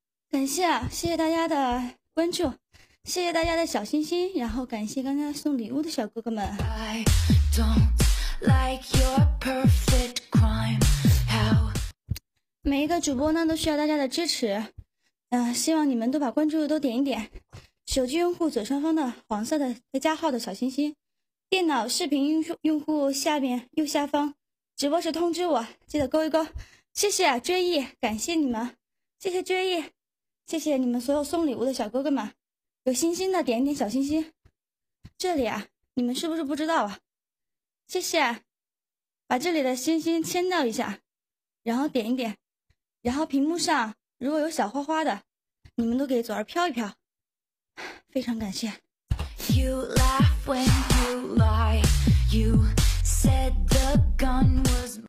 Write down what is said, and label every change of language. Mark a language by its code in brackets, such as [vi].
[zh] 感谢啊，谢谢大家的关注，谢谢大家的小心心，然后感谢刚刚送礼物的小哥哥们。 [en] I don't like your perfect crime, how... [zh] 每一个主播呢都需要大家的支持，希望你们都把关注都点一点。手机用户左上方的黄色的加号的小心心，电脑视频用户下面右下方直播时通知我，记得勾一勾。谢谢追忆，感谢你们，谢谢追忆，谢谢你们所有送礼物的小哥哥们，有心心的点一点小心心。这里啊，你们是不是不知道啊？谢谢，把这里的心心签到一下，然后点一点，然后屏幕上如果有小花花的，你们都给左儿飘一飘，非常感谢。 [en] You laugh when you lie, you said the gun was...